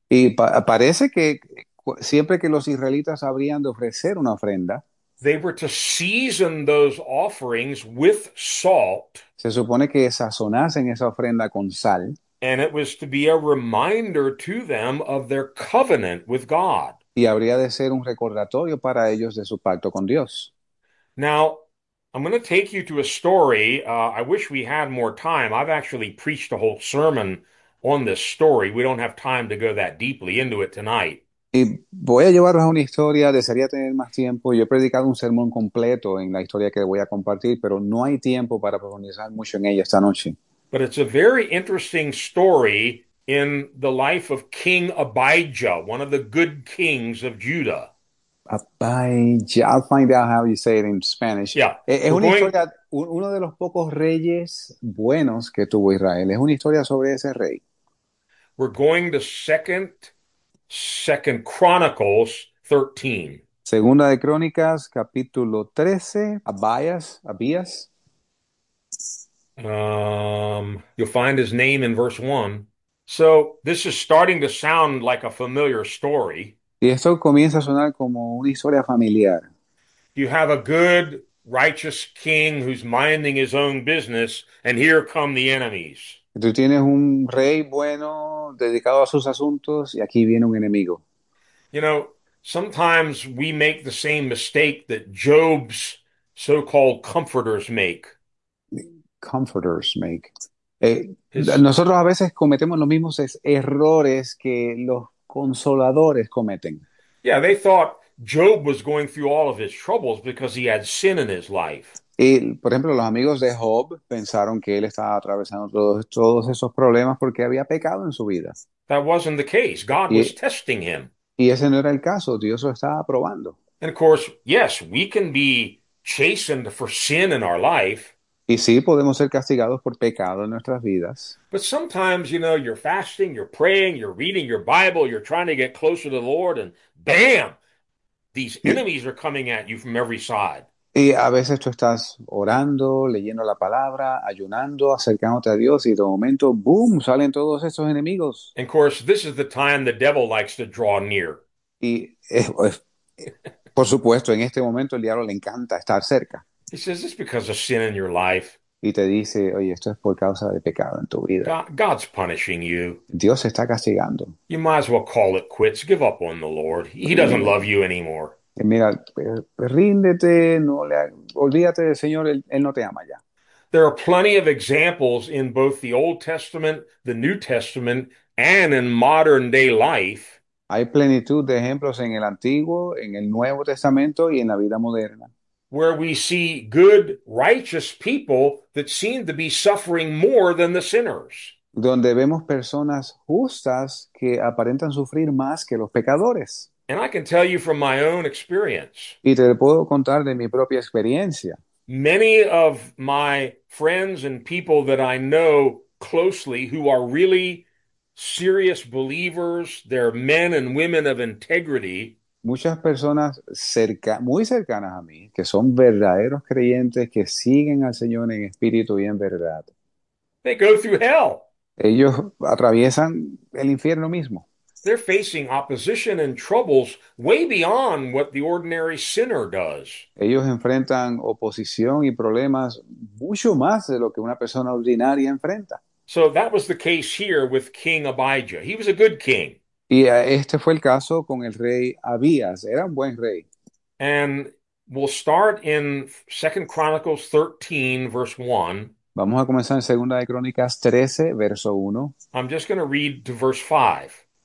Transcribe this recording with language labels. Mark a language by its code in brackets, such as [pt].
[es] Y pa parece que siempre que los israelitas habrían de ofrecer una ofrenda, [en] they were to season those offerings with salt, [es] se supone que sazonasen esa ofrenda con sal. [en] and it was to be a reminder to them of their covenant with God. [es] Y habría de ser un recordatorio para ellos de su pacto con Dios. [en] Now, I'm going to take you to a story. I wish we had more time. I've actually preached a whole sermon on this story. We don't have time to go that deeply into it tonight. [es] Y voy a llevarlos a una historia, desearía tener más tiempo. Yo he predicado un sermón completo en la historia que voy a compartir, pero no hay tiempo para profundizar mucho en ella esta noche. [en] But it's a very interesting story in the life of King Abijah, one of the good kings of Judah. I'll find out how you say it in Spanish. Yeah, [es] Es [en] we're [es] una [en] going. [es] historia, uno de los pocos reyes buenos que tuvo Israel. Es una historia sobre ese rey. [en] We're going to Second Chronicles 13. [es] Segunda de Crónicas, capítulo 13, Abías. [en] You'll find his name in verse 1. So this is starting to sound like a familiar story. [es] Y esto comienza a sonar como una historia familiar. [en] You have a good righteous king who's minding his own business, and here come the enemies. [es] Tú tienes un rey bueno, dedicado a sus asuntos, y aquí viene un enemigo. [en] Sometimes we make the same mistake that Job's so-called comforters make. Comforters make. [es] Nosotros a veces cometemos los mismos errores que los consoladores cometen. [en] Yeah, they thought Job was going through all of his troubles because he had sin in his life. [es] Y, por ejemplo, los amigos de Job pensaron que él estaba atravesando todos esos problemas porque había pecado en su vida. [en] That wasn't the case. God was testing him. [es] Y ese no era el caso, Dios lo estaba probando. [en] And of course, yes, we can be chastened for sin in our life. [es] Y sí, podemos ser castigados por pecado en nuestras vidas. [en] But sometimes, you're fasting, you're praying, you're reading your Bible, you're trying to get closer to the Lord, and bam, these enemies are coming at you from every side. [es] Y a veces tú estás orando, leyendo la palabra, ayunando, acercándote a Dios y de momento, ¡boom!, salen todos esos enemigos. [en] And of course, this is the time the devil likes to draw near. [es] Y por supuesto, en este momento el diablo le encanta estar cerca. [en] He says, it's because of sin in your life. [es] Y te dice, oye, esto es por causa de pecado en tu vida. [en] God's punishing you. [es] Dios se está castigando. [en] You might as well call it quits. Give up on the Lord. He doesn't love you anymore. [es] Mira, ríndete, no le ha, olvídate del Señor, él no te ama ya. [en] There are plenty of examples in both the Old Testament, the New Testament, and in modern day life. [es] Hay plenitud de ejemplos en el Antiguo, en el Nuevo Testamento y en la vida moderna. [en] Where we see good, righteous people that seem to be suffering more than the sinners. [es] Donde vemos personas justas que aparentan sufrir más que los pecadores. [en] And I can tell you from my own experience, [es] Y te puedo contar de mi propia experiencia. [en] many of my friends and people that I know closely who are really serious believers, they're men and women of integrity. [es] Muchas personas muy cercanas a mí, que son verdaderos creyentes, que siguen al Señor en espíritu y en verdad. [en] They go through hell. [es] Ellos atraviesan el infierno mismo. [en] They're facing opposition and troubles way beyond what the ordinary sinner does. [es] Ellos enfrentan oposición y problemas mucho más de lo que una persona ordinaria enfrenta. [en] So that was the case here with King Abijah. He was a good king. [es] Y este fue el caso con el rey Abías. Era un buen rey. [en] And we'll start in 2 Chronicles 13, verse 1. [es] Vamos a comenzar en Segunda de Crónicas 13, verso 1. [en] I'm just going to read to verse 5.